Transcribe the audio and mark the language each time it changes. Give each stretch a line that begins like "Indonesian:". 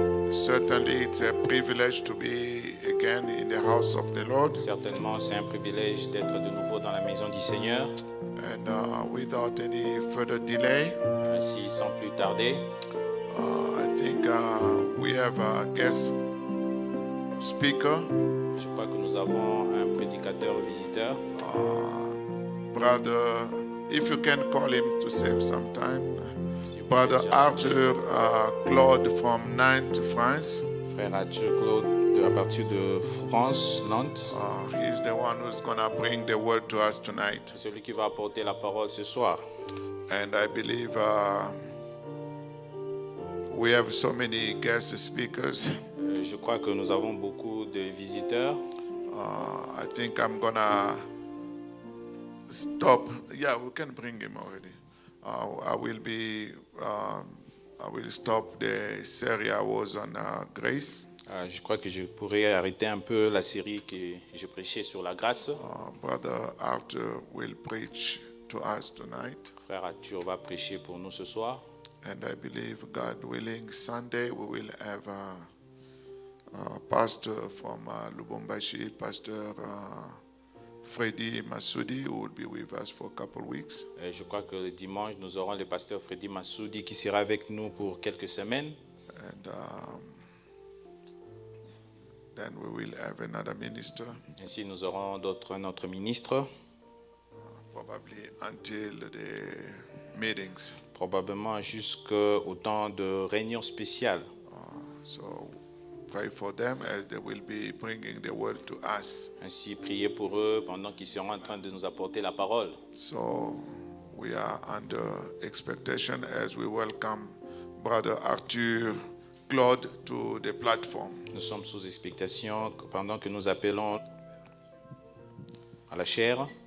English: Certainly, it's a privilege to be again in the house of the Lord.
French: Certainement, c'est un privilège d'être de nouveau dans la maison du Seigneur.
English: And without any further delay.
French: Ainsi, sans plus tarder.
English: I think we have a guest speaker.
French: Je crois que nous avons un prédicateur visiteur.
English: Brother, if you can call him to save some time. Brother Arthur Claude from Nantes, France.
French: Frère Arthur Claude de la partie de France, Nantes.
English: He is the one who's gonna bring the word to us tonight.
French: C'est celui qui va apporter la parole ce soir.
English: And I believe we have so many guest speakers.
French: Je crois que nous avons beaucoup de visiteurs.
English: I think I'm gonna stop. Yeah, we can bring him already. I will stop the series I was on grace.
French: Je crois que je pourrais arrêter un peu la série que je prêchais sur la grâce.
English: Brother Arthur will preach to us tonight.
French: Frère Arthur va prêcher pour nous ce soir.
English: And I believe, God willing, Sunday we will have a pastor from Lubumbashi, Pastor Freddy Masudi, who will be with us for a couple of weeks.
French: Je crois que le dimanche nous aurons le pasteur Freddy Masudi qui sera avec nous pour quelques semaines.
English: And then we will have another minister.
French: Ainsi nous aurons d'autres un autre ministre.
English: Probably until the meetings.
French: Probablement jusqu'au temps de réunion spéciale.
English: So pray for them as they will be bringing the word to us.
French: Ainsi priez pour eux pendant qu'ils seront en train de nous apporter la parole.
English: So we are under expectation as we welcome Brother Arthur Claude to the platform.
French: Nous sommes sous expectation pendant que nous appelons à la chair.